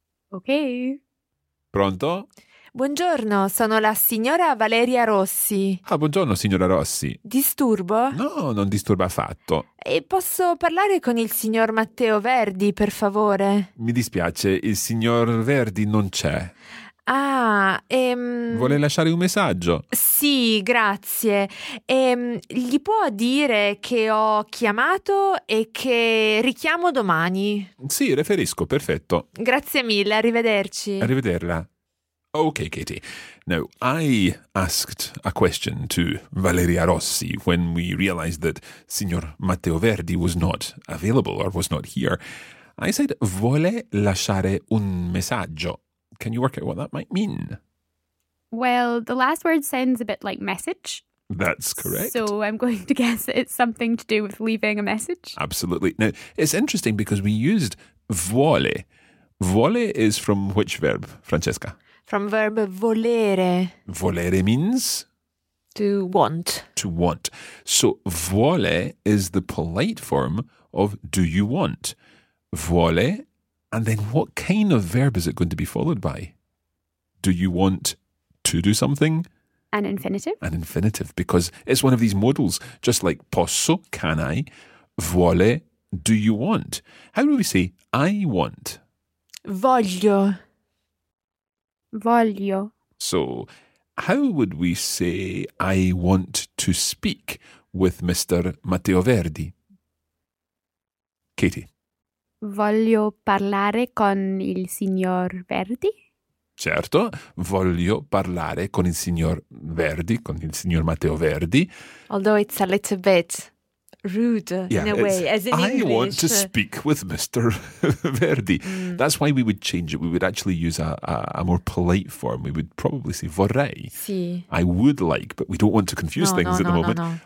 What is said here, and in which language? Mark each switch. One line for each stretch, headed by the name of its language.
English: Okay.
Italian: Pronto? Buongiorno, sono la signora Valeria Rossi. Ah, buongiorno, signora Rossi. Disturbo? No, non disturba affatto. E posso parlare con il signor Matteo Verdi, per favore? Mi dispiace, il signor Verdi non c'è. Ah, Vuole lasciare un messaggio? Sì, grazie. Gli può dire che ho chiamato e che richiamo domani? Sì, riferisco, perfetto. Grazie mille, arrivederci. Arrivederla.
English: Okay,
Italian: Katie.
English: Now, I asked a question to Valeria Rossi when we realized that Signor Matteo Verdi was not available or was not here. I said,
Italian: vuole lasciare un messaggio.
English: Can you work out what that might mean? Well, the last word sounds a bit like message. That's correct. So I'm going to guess it's something to do with leaving a message. Absolutely. Now, it's interesting because we used vuole. Vuole is from which verb, Francesca? From verb volere. Volere means? To want. To want. So vuole is the polite form of do you want. Vuole. And then what kind of verb is it going to be followed by? Do you want to do something? An infinitive. An infinitive. Because it's one of these modals, just like posso, can I? Vuole, do you want? How do we say I want?
Italian: Voglio. Voglio.
English: So, how would we say I want to speak with Mr. Matteo Verdi? Katie.
Italian: Voglio parlare con il signor Verdi. Certo, voglio parlare con il signor Verdi, con il signor Matteo Verdi.
English: Although it's a little bit rude, yeah, in a way, as in I English. I want to speak with Mr. Verdi. Mm. That's why we would change it. We would actually use a more polite form. We would probably say vorrei.
Italian: Sì.
English: I would like, but we don't want to confuse things at the moment. No.